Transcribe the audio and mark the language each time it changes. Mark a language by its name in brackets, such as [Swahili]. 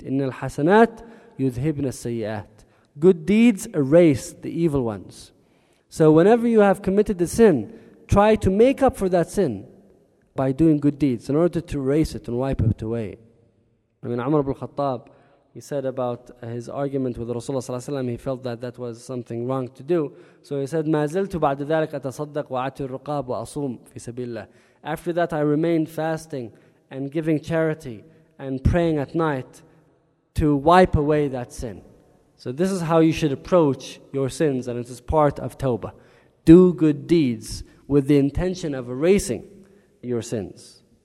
[Arabic] إِنَّ الْحَسَنَاتِ يُذْهِبْنَ السَّيِّئَاتِ. [English] Good deeds erase the evil ones. So whenever you have committed a sin, try to make up for that sin by doing good deeds in order to erase it and wipe it away. I mean, Umar ibn al-Khattab, he said about his argument with Rasulullah ﷺ, he felt that that was something wrong to do. So he said, [Arabic] مَا زِلْتُ بَعْدَ ذَلَكَ أَتَصَدَّقْ وَعَتِ الرُّقَابُ وَأَصُومْ فِي سَبِيلِ اللَّهِ. [English] After that, I remained fasting and giving charity and praying at night to wipe away that sin. So this is how you should approach your sins, and it is part of tawbah. Do good deeds with the intention of erasing your sins.